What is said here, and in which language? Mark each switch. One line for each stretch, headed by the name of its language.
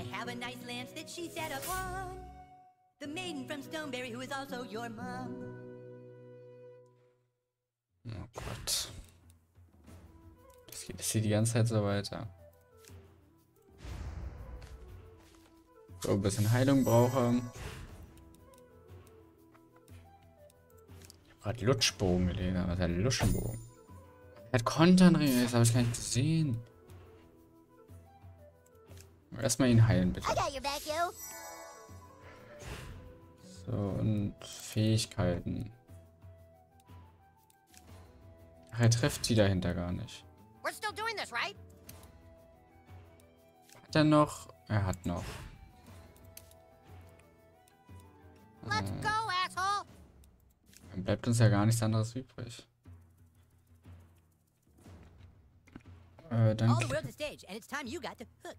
English: I have a nice lance that she sat upon. The maiden from Stoneberry, who is also your mom.
German: Oh Gott. Das geht hier die ganze Zeit so weiter. So, ein bisschen Heilung brauche. Ich hab grad Lutschbogen gelesen, aber es hat Luschenbogen. Er hat Konternring, das habe ich gar nicht gesehen. Erstmal ihn heilen, bitte. So, und Fähigkeiten. Ach, er trifft die dahinter gar nicht. Hat er noch? Er hat noch. Dann bleibt uns ja gar nichts anderes übrig. Dann
English: all the world is stage, and it's time you got the hook.